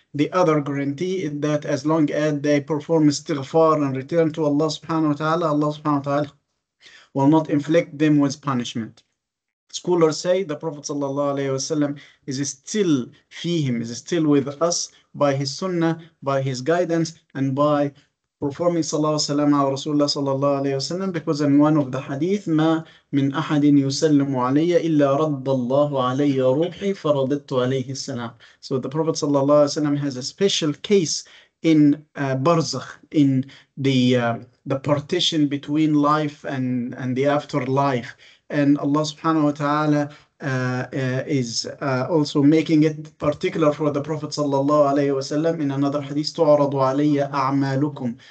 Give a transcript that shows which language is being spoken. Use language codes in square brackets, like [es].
[en] The other guarantee is that as long as they perform istighfar and return to Allah subhanahu wa ta'ala, Allah subhanahu wa ta'ala will not inflict them with punishment. Scholars say the Prophet sallallahu alaihi wasallam is still fihim, is still with us by his sunnah, by his guidance, and by performing salawat salam ala Rasulullah sallallahu alaihi wasallam. Because in one of the hadith, [ar] ما من أحد يسلم علي إلا رد الله علي روحي فرددت عليه السلام. [en] So the Prophet sallallahu alaihi wasallam has a special case in barzakh, in the partition between life and the afterlife. And Allah subhanahu wa ta'ala is also making it particular for the Prophet sallallahu alayhi wa sallam in another hadith, [ar] تُعْرَضُ عَلَيَّ أَعْمَالُكُمْ.